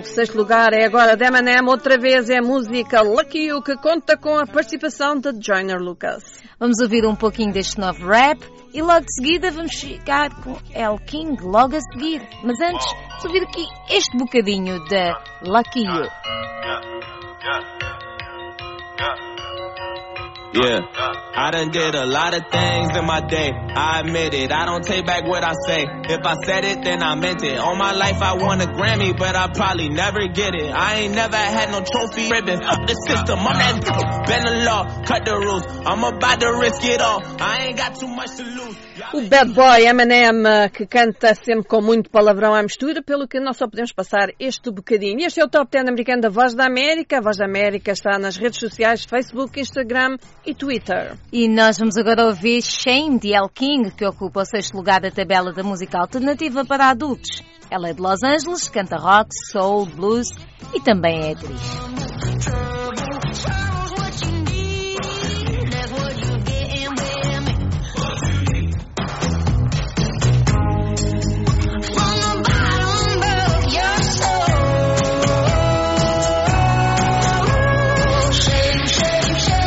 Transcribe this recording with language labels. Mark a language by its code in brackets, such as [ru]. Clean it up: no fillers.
[pt] O sexto lugar é agora de Eminem. Outra vez é a música Lucky You, que conta com a participação de Joyner Lucas. Vamos ouvir um pouquinho deste novo rap e logo de seguida vamos chegar com El King, logo a seguir. Mas antes, vamos ouvir aqui este bocadinho de Lucky You. [en] Yeah, I done did a lot of things in my day. I admit it, I don't take back what I say. If I said it, then I meant it. All my life I won a Grammy, but I probably never get it. I ain't never had no trophy ribbon. Up the system, I'm that bend the law, cut the rules. I'm about to risk it all. I ain't got too much to lose. [pt] O Bad Boy Eminem, que canta sempre com muito palavrão à mistura, pelo que nós só podemos passar este bocadinho. Este é o Top 10 americano da Voz da América. A Voz da América está nas redes sociais, Facebook, Instagram e Twitter. E nós vamos agora ouvir Shame, de El King, que ocupa o sexto lugar da tabela da música alternativa para adultos. Ela é de Los Angeles, canta rock, soul, blues e também é atriz. [en] Shame, shame,